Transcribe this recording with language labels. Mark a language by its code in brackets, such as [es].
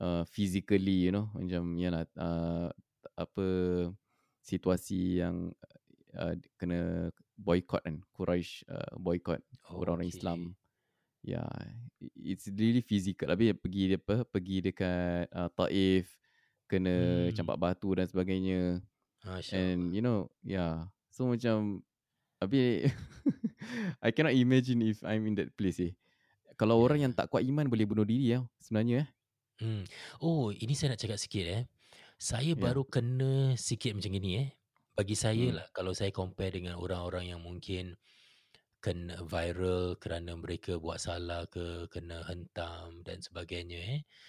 [en] Physically, you know, [ms] macam yalah apa situasi yang kena boycott kan, Quraisy boycott orang-orang Islam. [en] Yeah, it's really physical. [ms] Tapi pergi apa, pergi dekat Taif, kena campak batu dan sebagainya. [en] And you know, yeah, so [ms] macam tapi [en] I cannot imagine if I'm in that place eh. [ms] Kalau orang yang tak kuat iman boleh bunuh diri ya sebenarnya eh. Oh, ini saya nak cakap sikit eh. Saya baru kena sikit macam gini eh. Bagi saya lah, kalau saya compare dengan orang-orang yang mungkin kena viral kerana mereka buat salah ke, kena hentam dan sebagainya eh.